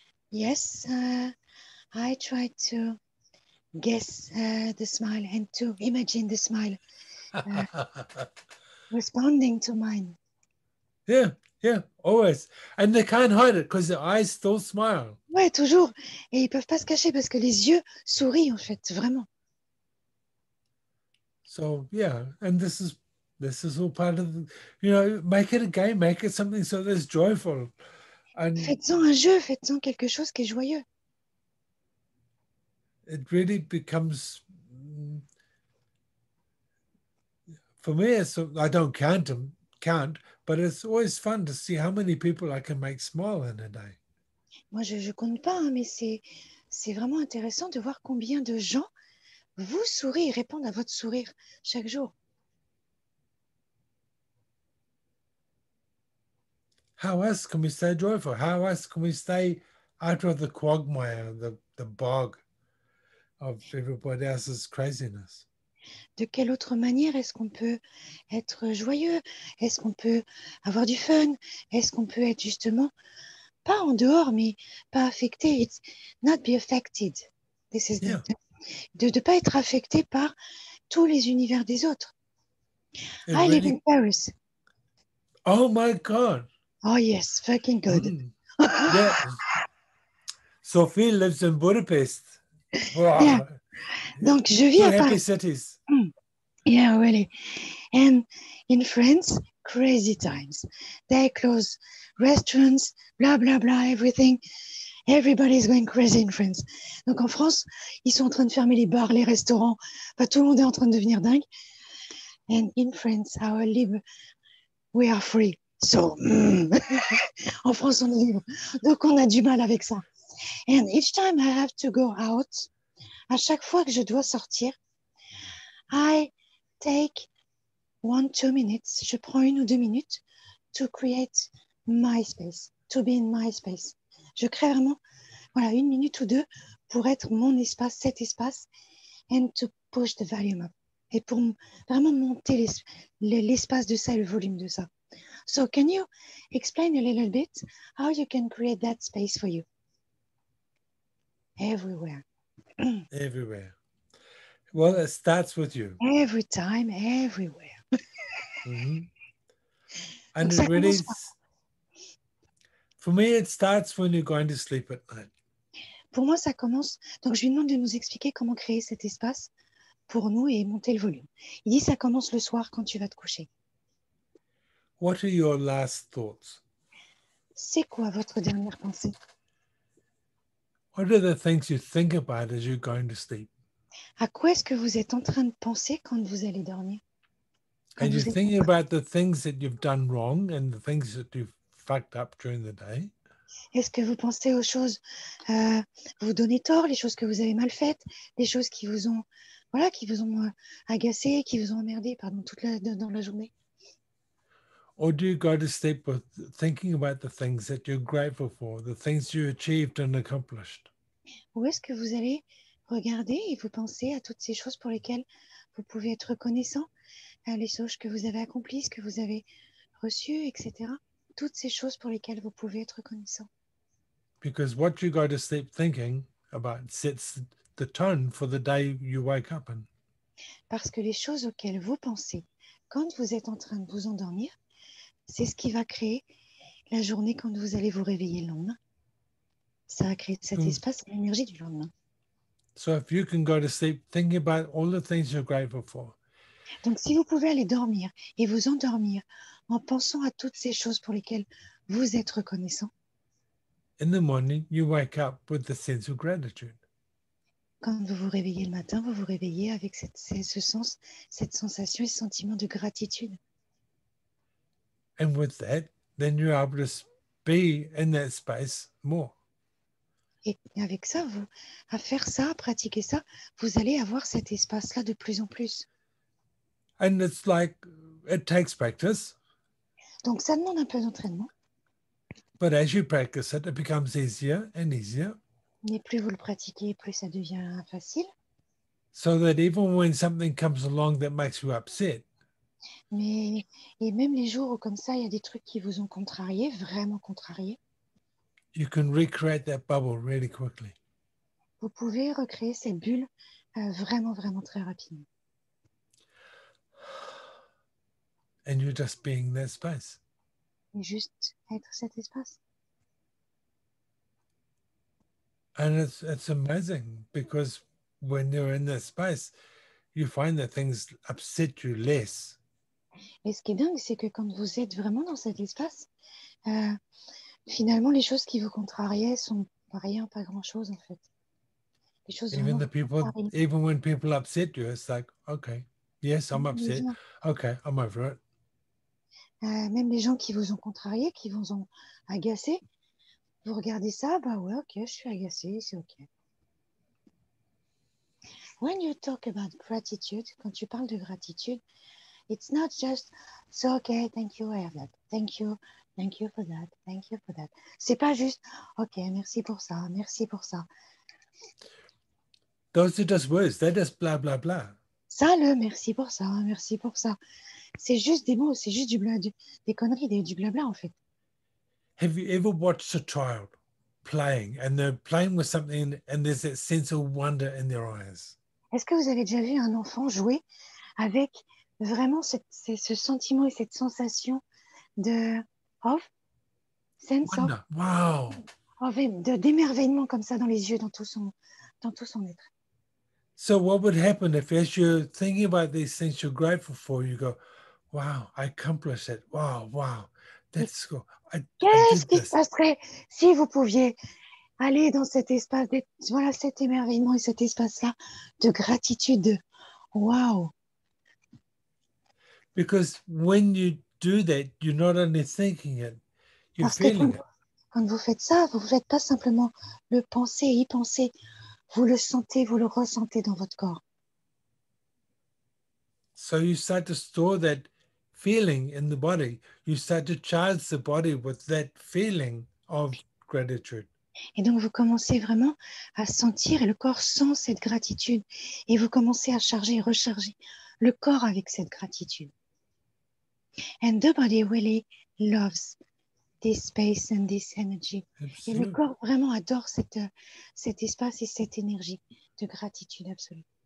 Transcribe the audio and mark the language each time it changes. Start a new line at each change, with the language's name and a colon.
English: Yes, I try to guess the smile and to imagine the smile responding to mine. Yeah, always. And they can't hide it because their eyes still smile.
French: Ouais, toujours. Et ils peuvent pas se cacher parce que les yeux sourient en fait, vraiment.
English: So yeah, and this is all part of the, you know, make it a game, make it something so that's joyful. And
French: faites-en un jeu, faites-en quelque chose qui est joyeux.
English: It really becomes, for me, it's, I don't count them, count, but it's always fun to see how many people I can make smile in a day.
French: Moi, je compte pas, hein, mais c'est vraiment intéressant de voir combien de gens vous sourient, répondent à votre sourire chaque jour.
English: How else can we stay joyful? How else can we stay out of the quagmire, the bog of everybody else's craziness?
French: De quelle autre manière est-ce qu'on peut être joyeux? Est-ce qu'on peut avoir du fun? Est-ce qu'on peut être justement pas en dehors, mais pas affecté?
English: It's not be affected. This is yeah.
French: De pas être affecté par tous les univers des autres.
English: It I really... live in Paris. Oh my God. Oh yes, fucking good. Mm. Yeah. Sophie lives in Budapest.
French: Wow. Yeah. Donc je vis
English: the
French: à
English: happy cities. Mm. Yeah, really. And in France, crazy times. They close restaurants, blah blah blah, everything. Everybody's going crazy in France.
French: Donc en France, ils sont en train de fermer les bars, les restaurants. Enfin, tout le monde est en train de devenir dingue.
English: And in France, our libre, we are free.
French: So, en France, on est libre. Donc, on a du mal avec ça.
English: And each time I have to go out,
French: à chaque fois que je dois sortir,
English: I take 1-2 minutes,
French: je prends 1 ou 2 minutes
English: to create my space, to be in my space.
French: Je crée vraiment, voilà, 1 minute ou 2 pour être mon espace, cet espace,
English: and to push the volume up.
French: Et pour vraiment monter l'espace de ça et le volume de ça.
English: So, can you explain a little bit how you can create that space for you? Everywhere. Everywhere. Well, it starts with you. Every time, everywhere. Mm-hmm. And it really, for me, it starts when you're going to sleep at night.
French: Pour moi, ça commence. Donc, je lui demande de nous expliquer comment créer cet espace pour nous et monter le volume. Il dit, ça commence le soir quand tu vas te coucher.
English: What are your last thoughts?
French: C'est quoi votre dernière pensée?
English: What are the things you think about as you're going to sleep?
French: À quoi est-ce que vous êtes en train de penser quand vous allez dormir?
English: And you're thinking about the things that you've done wrong and the things that you've fucked up during the day?
French: Est-ce que vous pensez aux choses vous donnez tort, les choses que vous avez mal faites, les choses qui vous ont voilà, qui vous ont agacé, qui vous ont emmerdé pardon, toute la dans la journée?
English: Or do you go to sleep with thinking about the things that you're grateful for, the things you achieved and accomplished?
French: Ou est-ce que vous allez regarder et vous penser à toutes ces choses pour lesquelles vous pouvez être reconnaissant, les choses que vous avez accomplies, ce que vous avez reçues, etc. Toutes ces choses pour lesquelles vous pouvez être reconnaissant.
English: Because what you go to sleep thinking about sets the tone for the day you wake up in.
French: Parce que les choses auxquelles vous pensez quand vous êtes en train de vous endormir, c'est ce qui va créer la journée quand vous allez vous réveiller le lendemain. Ça va créer cet espace, l'énergie du lendemain.
English: So if you can go to sleep thinking about all the things you're grateful for.
French: Donc si vous pouvez aller dormir et vous endormir en pensant à toutes ces choses pour lesquelles vous êtes reconnaissant.
English: In the morning, you wake up with the sense of gratitude.
French: Quand vous vous réveillez le matin, vous vous réveillez avec ce sens, cette sensation, ce sentiment de gratitude.
English: And with that, then you're able to be in that space more.
French: Et avec ça, vous, à faire ça, à pratiquer ça, vous allez avoir cet espace-là de plus en plus.
English: And it's like, it takes practice.
French: Donc ça demande un peu d'entraînement.
English: But as you practice it, it becomes easier and easier.
French: Mais plus vous le pratiquez, plus ça devient facile.
English: So that even when something comes along that makes you upset.
French: Mais, et même les jours où comme ça, il y a des trucs qui vous ont contrarié, vraiment contrarié.
English: You can recreate that bubble really quickly.
French: Vous pouvez recréer cette bulle vraiment, vraiment très rapidement.
English: And you're just being that space.
French: Et juste être cet espace.
English: And it's amazing because when you're in that space, you find that things upset you less.
French: Et ce qui est dingue, c'est que quand vous êtes vraiment dans cet espace, finalement, les choses qui vous contrariaient sont pas rien, pas grand-chose en fait. Les choses
English: even the people, even when people upset you, it's like, okay, yes, I'm upset. Okay, I'm over it.
French: Même les gens qui vous ont contrarié, qui vous ont agacé, vous regardez ça, bah ouais, ok, je suis agacé, c'est ok.
English: When you talk about gratitude,
French: quand tu parles de gratitude,
English: it's not just, so okay, thank you, I have that. Thank you for that, thank you for that.
French: C'est pas juste, ok, merci pour ça, merci pour ça.
English: Those are just words, they're just blah, blah, blah.
French: Ça, le merci pour ça, merci pour ça. C'est juste des mots, c'est juste du blabla, des conneries, du blabla en fait.
English: Have you ever watched a child playing and they're playing with something and there's that sense of wonder in their eyes?
French: Est-ce que vous avez déjà vu un enfant jouer avec vraiment ce sentiment et cette sensation de
English: of sense wonder. Of wow
French: of, d'émerveillement comme ça dans les yeux, dans tout son être.
English: So what would happen if as you're thinking about these things you're grateful for, you go, wow, I accomplished it. Wow, wow. That's cool. I did
French: qu'est-ce qui se passerait si vous pouviez aller dans cet espace, voilà cet émerveillement et cet espace-là de gratitude, de wow.
English: Because when you do that, you're not only thinking it, you're
French: parce
English: feeling
French: que quand vous faites ça, vous ne faites pas simplement le penser, y penser. Vous le sentez, vous le ressentez dans votre corps.
English: So you start to store that feeling in the body. You start to charge the body with that feeling of gratitude.
French: Et donc vous commencez vraiment à sentir et le corps sent cette gratitude et vous commencez à charger et recharger le corps avec cette gratitude.
English: And the body really loves this space and this energy. Absolute.
French: Et le corps vraiment adore cet espace et cette énergie de gratitude absolue.